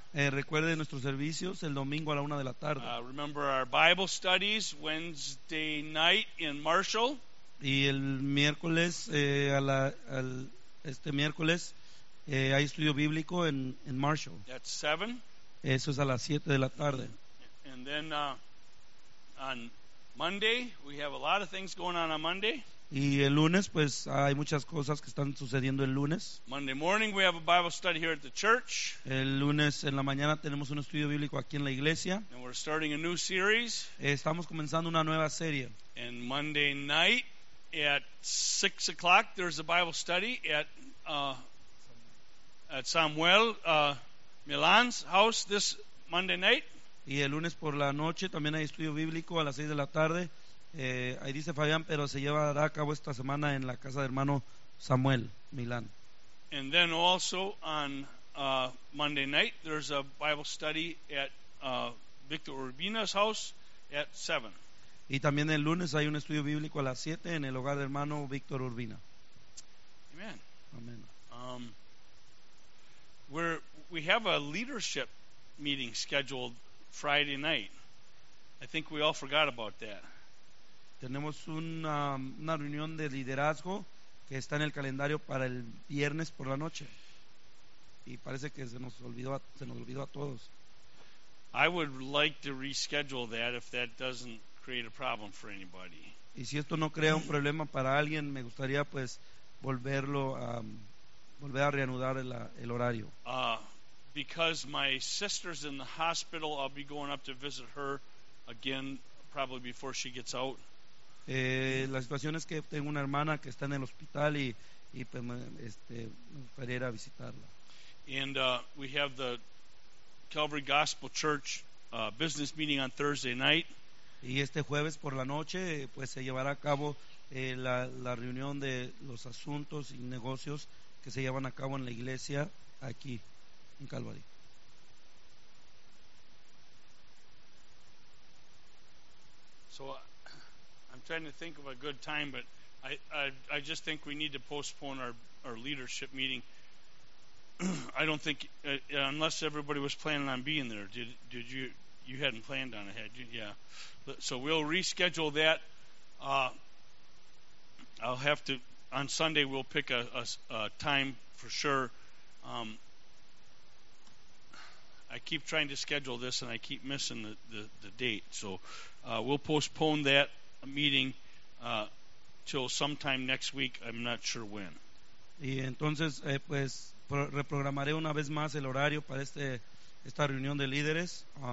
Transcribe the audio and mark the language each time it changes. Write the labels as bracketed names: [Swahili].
[Spanish] Recuerde nuestros servicios el domingo a la 1:00 p.m. [English] Remember our Bible studies Wednesday night in Marshall. [Spanish] Y el miércoles hay estudio bíblico en Marshall. [English] At 7:00. [Spanish] Eso es a las 7:00 p.m. [English] And then on Monday we have a lot of things going on Monday. [Spanish] Y el lunes, pues hay muchas cosas que están sucediendo el lunes. [English] Monday morning we have a Bible study here at the church. [Spanish] El lunes en la mañana tenemos un estudio bíblico aquí en la iglesia. [English] And we're starting a new series. [Spanish] Estamos comenzando una nueva serie. [English] And Monday night at 6:00 there's a Bible study at Samuel Milan's house this Monday night. [Spanish] Y el lunes por la noche también hay estudio bíblico a las 6:00 p.m. Ahí dice Fabián, pero se llevará a cabo esta semana en la casa del hermano Samuel Milán. [English] And then also on Monday night there's a Bible study at Victor Urbina's house at 7:00. [Spanish] Y también el lunes hay un estudio bíblico a las 7:00 en el hogar del hermano Victor Urbina. Amen. Amen. [English] We have a leadership meeting scheduled Friday night. I think we all forgot about that. [Spanish] Tenemos una reunión de liderazgo que está en el calendario para el viernes por la noche. Y parece que se nos olvidó a todos. [English] I would like to reschedule that if that doesn't create a problem for anybody. [Spanish] Y si esto no crea un problema para alguien, me gustaría pues volver a reanudar el horario. [English] because my sister's in the hospital, I'll be going up to visit her again probably before she gets out. [Spanish] La situación es que tengo una hermana que está en el hospital y pues este para ir a visitarla. [English] And we have the Calvary Gospel Church business meeting on Thursday night. [Spanish] Y este jueves por la noche pues se llevará a cabo la reunión de los asuntos y negocios que se llevan a cabo en la iglesia aquí en Calvary. [English] So I'm trying to think of a good time, but I just think we need to postpone our leadership meeting. I don't think unless everybody was planning on being there. Did you hadn't planned on it, had you? Yeah. So we'll reschedule that. I'll have to on Sunday. We'll pick a time for sure. I keep trying to schedule this and I keep missing the date. So we'll postpone that meeting till sometime next week. I'm not sure when. [Spanish] Y entonces pues reprogramaré una vez más el horario para esta reunión de líderes.